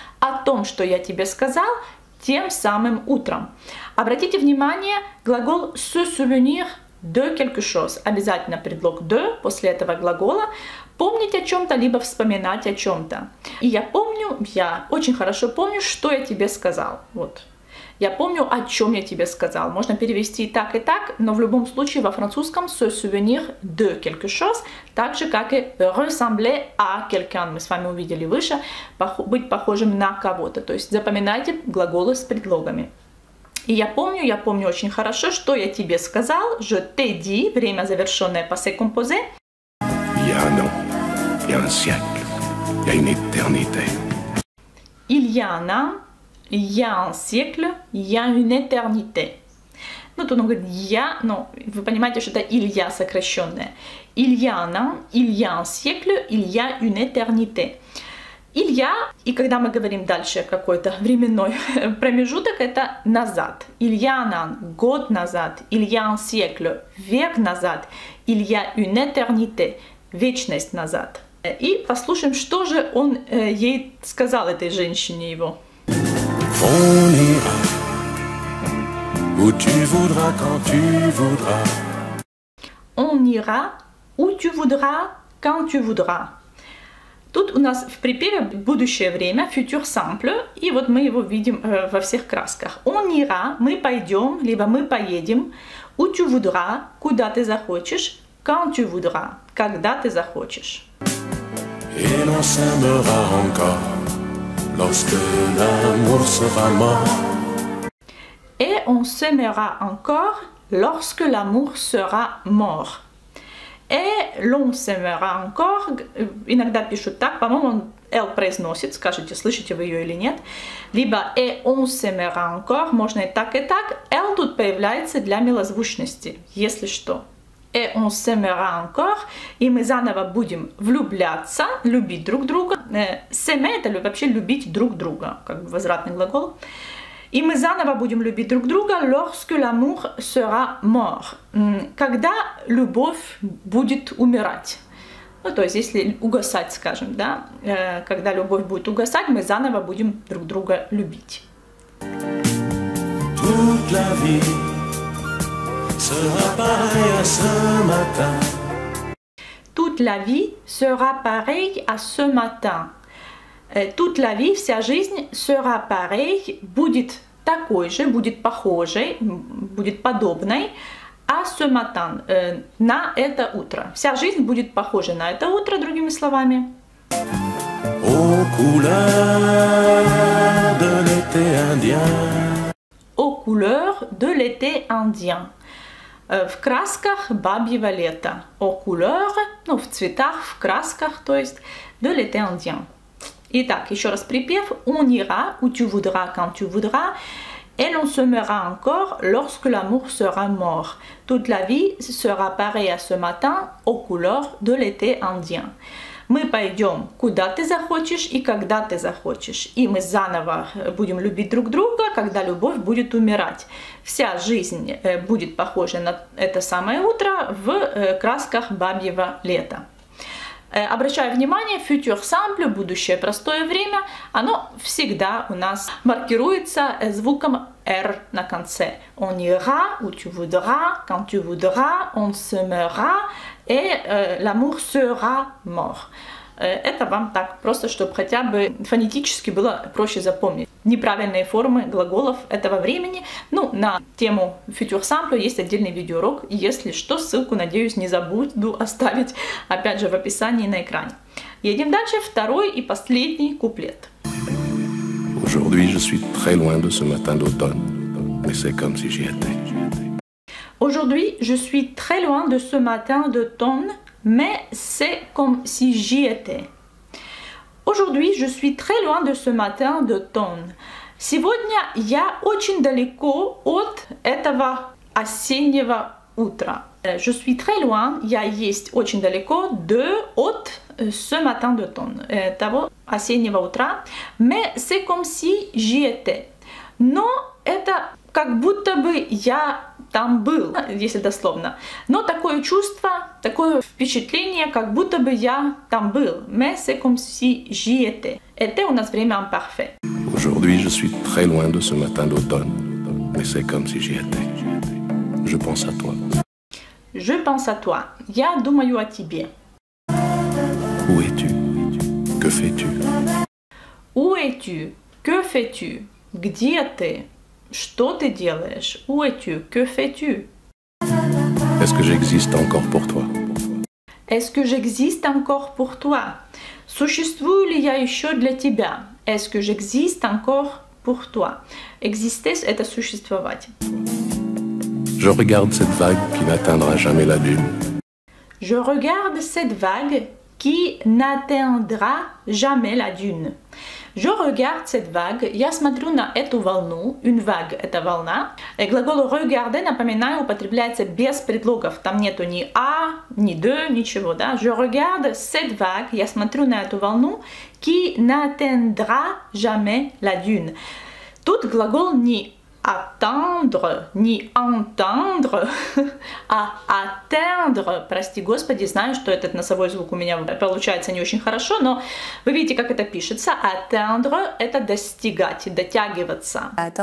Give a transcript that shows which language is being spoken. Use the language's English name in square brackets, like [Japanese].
[Russian] О том, что я тебе сказал тем самым утром. Обратите внимание, глагол [French] se souvenir de quelque chose. [Russian] Обязательно предлог de после этого глагола. Помнить о чем-то, либо вспоминать о чем-то. И я помню, я очень хорошо помню, что я тебе сказал. Вот. Я помню, о чем я тебе сказал. Можно перевести и так, но в любом случае во французском [French] se souvenir de quelque chose, [Russian] так же, как и [French] ressembler à quelqu'un, [Russian] мы с вами увидели выше, быть похожим на кого-то. То есть запоминайте глаголы с предлогами. И я помню очень хорошо, что я тебе сказал. [French] Je t'ai dit, [Russian] время завершенное [French] passé composé. Il y a un an, il y a un siècle, il y a une éternité. Il y a un an, il y a un siècle, il y a une éternité. [Russian] Ну, тут он говорит «я», но вы понимаете, что это «il y a» сокращенное. [French] Il y a un an, il y a un siècle, il y a une éternité. [Russian] Il y a, и когда мы говорим дальше какой-то временной промежуток, это «назад». [French] Il y a un an, [Russian] год назад. [French] Il y a un siècle, [Russian] век назад. [French] Il y a une éternité, [Russian] вечность назад. И послушаем, что же он ей сказал, этой женщине его. [French] On ira où tu voudras quand tu voudras. On ira où tu voudras quand tu voudras. [Russian] Тут у нас в припеве будущее время, future simple, и вот мы его видим во всех красках. [French] On ira, [Russian] мы пойдем, либо мы поедем, [French] où tu voudras, [Russian] куда ты захочешь, [French] quand tu voudras, [Russian] когда ты захочешь. [French] Et l'on s'aimera encore. Lorsque l'amour sera mort. Et on s'aimera encore lorsque l'amour sera mort. Et l'on s'aimera encore. [Russian] Иногда пишут так, по-моему, он L произносит, скажите, слышите вы ее или нет. Либо [French] et on s'aimera encore, [Russian] можно и так. L тут появляется для милозвучности, если что. [French] Et on s'aimera encore, [Russian] и мы заново будем влюбляться, любить друг друга. S'aimer — это вообще любить друг друга, как бы возвратный глагол. И мы заново будем любить друг друга, [French] lorsque l'amour sera mort. [Russian] Когда любовь будет умирать. Ну, то есть, если угасать, скажем, да, когда любовь будет угасать, мы заново будем друг друга любить. [French] Toute la vie. Sera pareil à ce matin. Toute la vie sera pareille à ce matin. Toute la vie, [Russian] вся жизнь [French] sera pareille, [Russian] будет такой же, будет похожей, будет подобной. А [French] ce matin, [Russian] на это утро. Вся жизнь будет похожа на это утро, другими словами. [French] Aux couleurs de l'été indien. Aux couleurs de l'été indien. [Russian] В красках бабьего лета. [French] Aux couleurs, [Russian] ну, в цветах, в красках, то есть, [French] de l'été indien. [Russian] Итак, еще раз припев. [French] On ira où tu voudras, quand tu voudras. Et l'on semera encore lorsque l'amour sera mort. Toute la vie sera pareille à ce matin aux couleurs de l'été indien. [Russian] Мы пойдем, куда ты захочешь и когда ты захочешь. И мы заново будем любить друг друга, когда любовь будет умирать. Вся жизнь будет похожа на это самое утро в красках бабьего лета. Обращаю внимание, future simple, будущее простое время, оно всегда у нас маркируется звуком R на конце. [French] On ira où tu voudras, quand tu voudras, on semera, et l'amour sera mort. [Russian] Это вам так, просто чтобы хотя бы фонетически было проще запомнить. Неправильные формы глаголов этого времени. Ну, на тему future simple есть отдельный видеоурок. Если что, ссылку, надеюсь, не забуду оставить, опять же, в описании на экране. Едем дальше. Второй и последний куплет. [French] Aujourd'hui je suis très loin de ce matin d'automne, mais c'est comme si j'y étais. Aujourd'hui je suis très loin de ce matin d'automne, mais c'est comme si j'y étais. Aujourd'hui je suis très loin de ce matin d'automne. [Russian] Сегодня я очень далеко от этого осеннего утра. [French] Je suis très loin, [Russian] я есть очень далеко de, от [French] ce matin d'automne, [Russian] того осеннего утра. [French] Mais c'est comme si j'y étais. [Russian] Но это как будто бы я там был, если дословно. Но такое чувство, такое впечатление, как будто бы я там был. [French] Mais c'est comme si j'y étais. [Russian] Это у нас время imparfait. [French] Aujourd'hui je suis très loin de ce matin d'automne. Mais c'est comme si j'y étais. Je pense à toi. Je pense à toi. [Russian] Я думаю о тебе. [French] Où es-tu? Que fais-tu? Où es-tu? Que fais-tu? [Russian] Где ты? Что ты делаешь? [French] Où es-tu? Que fais-tu? Est-ce que j'existe encore pour toi? Est-ce que j'existe encore pour toi? [Russian] Существую ли я еще для тебя? [French] Est-ce que j'existe encore pour toi? [Russian] Exister, это существовать. [French] Je regarde cette vague qui n'atteindra jamais la lune. Je regarde cette vague qui n'atteindra jamais la dune. Je regarde cette vague. [Russian] Я смотрю на эту волну. Une vague – это волна. Глагол regarder, напоминаю, употребляется без предлогов. Там нету ни а, ни de, ничего, да? [French] Je regarde cette vague. [Russian] Я смотрю на эту волну. [French] Qui n'atteindra jamais la dune. [Russian] Тут глагол не attendre, не entendre, а atteindre. Прости, господи, знаю, что этот носовой звук у меня получается не очень хорошо, но вы видите, как это пишется. Atteindre – это достигать, дотягиваться.